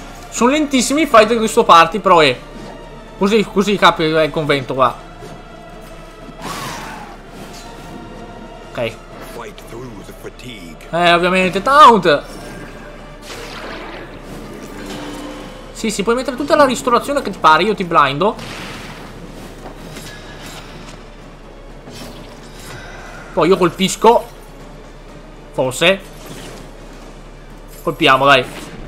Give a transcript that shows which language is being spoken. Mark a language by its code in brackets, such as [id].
[it] Sono lentissimi i fight di questo party, però è così, così capi il convento qua. Ok. [en] Fight through the fatigue. [it] Ovviamente taunt. Sì, si puoi mettere tutta la ristorazione che ti pare, io ti blindo. Poi io colpisco. Forse. Colpiamo, dai.